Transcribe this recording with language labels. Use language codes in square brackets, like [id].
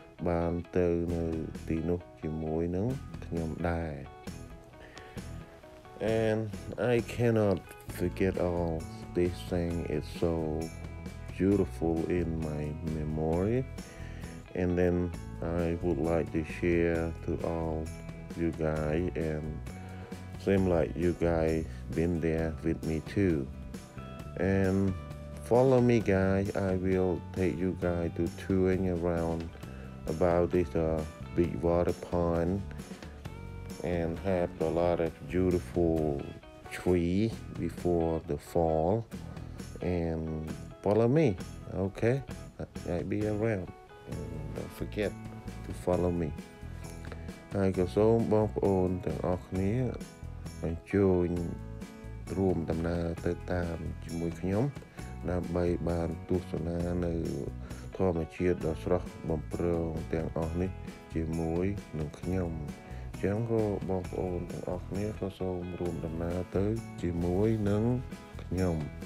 [km] បានទៅនៅទីនោះជាមួយនឹងខ្ញុំដែរ [en] And I cannot forget all this thing is so beautiful in my memory and then I would like to share to all you guys andSeem like you guys been there with me too. And follow me guys, I will take you guys to touring around about this big water pond and have a lot of beautiful trees before the fall. And follow me, okay? I'll be around and don't forget to follow me. I got so bump on the Orkney. [km] អញ្ជើញរួមដំណើរទៅតាមជាមួយខ្ញុំដើម្បីបានទស្សនានៅ ធម្មជាតិដ៏ស្រស់បំព្រងទាំងអស់នេះជាមួយនឹងខ្ញុំចាំក៏បងប្អូនទាំងអស់គ្នាក៏សូមរួមដំណើរទៅជាមួយនឹងខ្ញុំ